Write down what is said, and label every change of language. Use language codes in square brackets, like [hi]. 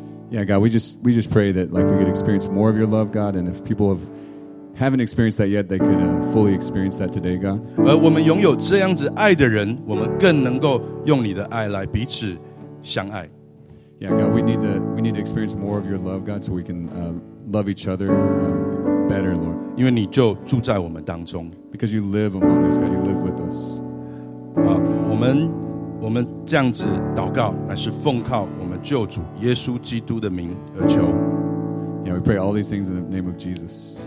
[en] yeah, God, we just pray that like we could experience more of your love, God, and if people haven't experienced that yet, they could fully experience that today, God. [zh] 而我们拥有这样子爱的人, 我们更能够用你的爱来彼此相爱。 [en] Yeah, God, we need to experience more of your love, God, so we can love each other better, Lord. [zh] 因为你就住在我们当中。 [en] Because you live among us, God, you live with us. [zh] 我们这样子祷告, 乃是奉靠我们救主耶稣基督的名而求。 [en] Yeah, we pray all these things in the name of Jesus.